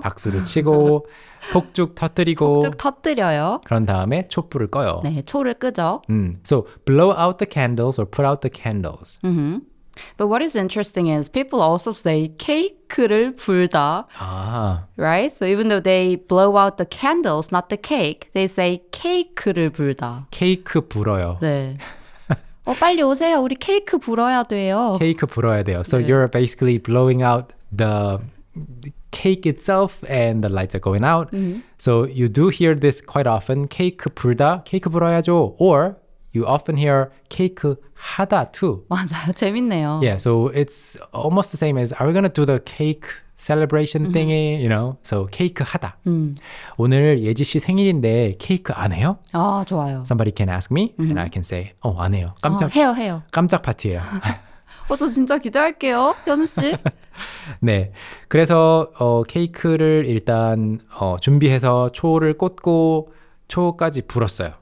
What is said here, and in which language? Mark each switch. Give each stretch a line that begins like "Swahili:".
Korean: 박수를 치고 폭죽 터뜨리고. 폭죽 터뜨려요. 그런 다음에 촛불을 꺼요. 네, 초를 끄죠.
English: So blow out the candles or put out the candles. Mm-hmm. But what is interesting is people also say
Korean: 케이크를 불다. 아.
English: Right? So even though they blow out the candles, not the cake, they say
Korean: 케이크를 불다. 케이크 불어요. 네. 빨리 오세요. 우리 케이크 불어야 돼요. 케이크 불어야 돼요. So 네.
English: you're basically blowing out the cake itself and the lights are going out. Mm-hmm. So you do hear this quite often.
Korean: 케이크 불다, 케이크 불어야죠.
English: Or you often hear
Korean: 케이크 하다
English: too.
Korean: 맞아요. 재밌네요.
English: Yeah, so it's almost the same as are we going to do the cake celebration mm-hmm. thingy, you know? So
Korean: 케이크 하다. 오늘 예지 씨 생일인데 케이크 안 해요? 아, 좋아요.
English: Somebody can ask me mm-hmm. and I can say,
Korean: 안 해요. 깜짝. 해요, 해요. 깜짝 파티예요. 저 진짜 기대할게요, 현우 씨. 네, 그래서 케이크를 일단 준비해서 초를 꽂고 초까지 불었어요.